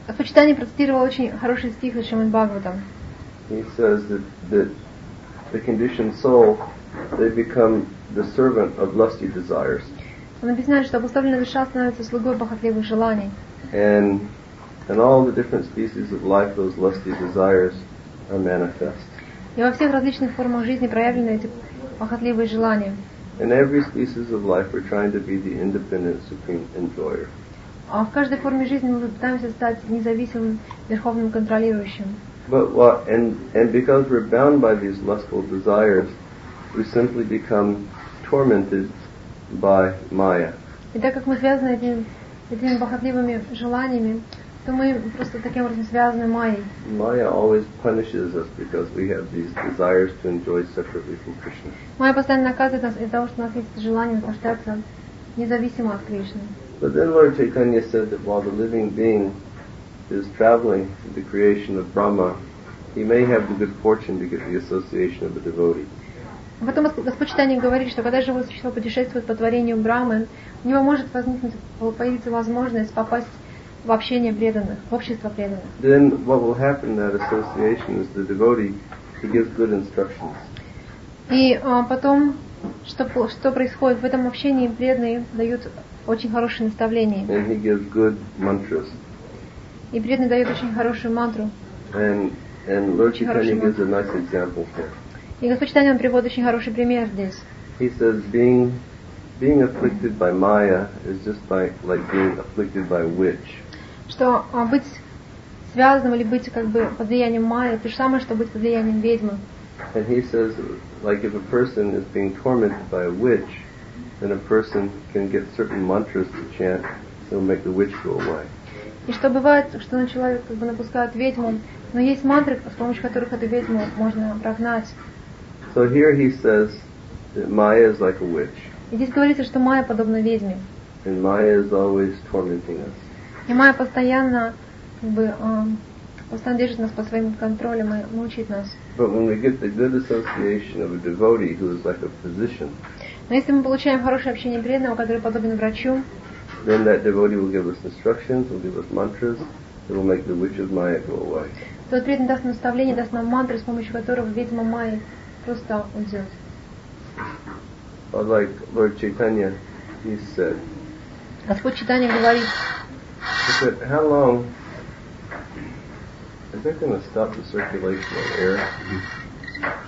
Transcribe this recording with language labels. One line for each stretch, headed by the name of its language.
Russian: Господь Читания процитировал очень хороший стих из Шримад Бхагаватам.
English: He says that the conditioned soul, they become the servant of lusty desires.
Russian: Он объясняет, что обусловленная душа становится слугой похотливых желаний.
English: And all the different species of life, those lusty desires, are manifest.
Russian: И во всех различных формах жизни проявлены эти похотливые желания.
English: In every species of life, we're trying to be the independent supreme enjoyer.
Russian: А в каждой форме жизни мы пытаемся стать независимым верховным контролирующим.
English: But what, and because we're bound by these lustful desires, we simply become tormented by Maya.
Russian: И так как мы связаны этими похотливыми желаниями, то мы просто таким образом связаны Майей.
English: Maya always punishes us because we have these desires to enjoy separately from Krishna.
Russian: Майя постоянно наказывает нас из-за того, что у нас есть желание наслаждаться независимо от Кришны.
English: But then Lord Chaitanya said that while the living being is traveling to the creation of Brahma, he may have the good fortune to get the association of a devotee.
Russian: Потом Господь Читание говорит, что когда живое существо путешествует по творению Брахмы, у него может возникнуть, появиться возможность попасть в общение преданных, в общество преданных.
English: Then what will happen in that association is the devotee, he gives good instructions.
Russian: И потом, что происходит, в этом общении преданные дают очень хорошие наставления.
English: And he gives good mantras.
Russian: И преданный дает очень хорошую мантру.
English: And Lord Chaitanya gives a nice example here.
Russian: И Господь Читание приводит очень хороший пример здесь.
English: He says being afflicted by Maya is just like being afflicted by a witch.
Russian: Что быть связанным или быть как бы под влиянием Майи, то же самое, что быть под влиянием ведьмы.
English: And he says, like if a person is being tormented by a witch, then a person can get certain mantras to chant, so make the witch go away.
Russian: И что бывает, что на человека как бы напускают ведьму, но есть мантры, с помощью которых эту ведьму можно прогнать.
English: So here he says that Maya is like a witch.
Russian: И здесь говорится, что Майя подобна ведьме.
English: And Maya is always tormenting us.
Russian: И Майя постоянно, как бы, постоянно держит нас под своим контролем и мучает нас.
English: But when we get the good association of a devotee who is like a physician,
Russian: но если мы получаем хорошее общение преданного, который подобен врачу,
English: then that devotee will give us instructions, will give us mantras, it will make the witch of Maya go away.
Russian: Тот преданный даст наставление, даст нам мантры, с помощью которых ведьма Майя просто уйдет.
English: But like Lord Chaitanya, he said,
Russian: Господь Читание говорит,
English: he said, how long is that going to stop the circulation of air?